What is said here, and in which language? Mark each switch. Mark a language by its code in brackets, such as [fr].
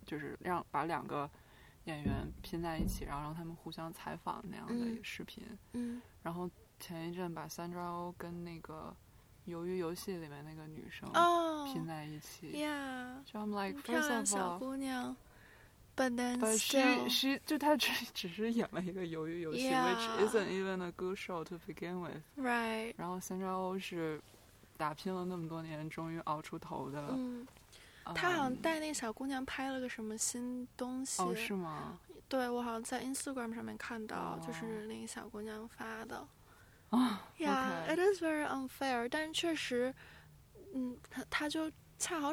[zh] 就是让把两个演员拼在一起然后让他们互相采访那样的视频、嗯、然后前一阵把 Sandra O 跟那个鱿鱼游戏里面那个女生拼在一起、 [en] oh, yeah, 就 I'm like first of all [zh] 漂亮小姑娘 [en] but then still she [zh] 就她 只是演了一个鱿鱼游戏、 [en] yeah. which isn't even a good show to begin with right [zh] 然后 Sandra O 是打拼了那么多年终于熬出头的、他好像带那小姑娘拍了个什么新东西。哦，是吗？对，我好像在 Instagram 上面看到、就是那个小姑娘发的。 [en] Yeah, okay. It is very unfair, [zh] 但确实她就恰好